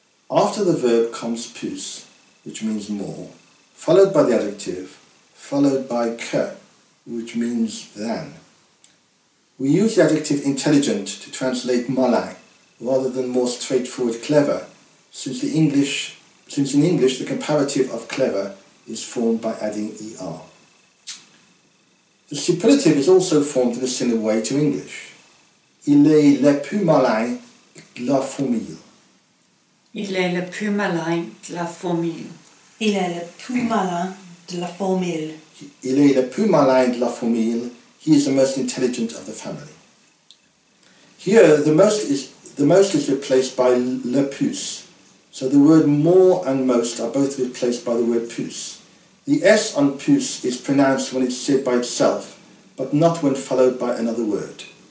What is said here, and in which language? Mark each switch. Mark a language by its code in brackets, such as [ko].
[en] After the verb comes plus, which means more, followed by the adjective, followed by que, which means than. We use the adjective intelligent to translate malin, rather than more straightforward clever, since in English the comparative of clever is formed by adding er. The superlative is also formed in a similar way to English. [fr] Il est le plus malin de la famille. Il est le plus malin de la famille. Il est le plus malin de la famille. Il est le plus malin de la famille. [en] He is the most intelligent of the family. Here, the most is replaced by le plus. So the word more and most are both replaced by the word plus. The S on plus is pronounced when it's said by itself, but not when followed by another word.